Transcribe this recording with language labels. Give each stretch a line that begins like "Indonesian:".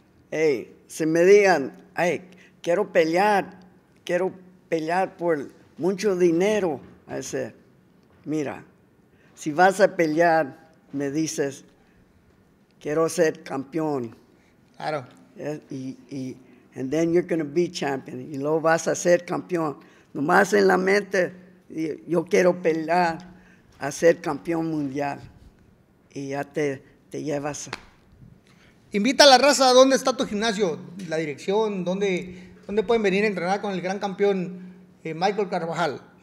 Spanish: Hey, si me digan, hey, quiero pelear por mucho dinero, a ese, mira, si vas a pelear, me dices, quiero ser campeón. Claro.
English: Y and then you're going to be champion.
Spanish: Y luego vas a ser campeón. Nomás en la mente, yo quiero pelear a ser campeón mundial. Y ya te llevas. Invita a la raza, ¿dónde está tu gimnasio? La dirección, ¿dónde pueden venir a entrenar con el gran campeón Michael Carvajal?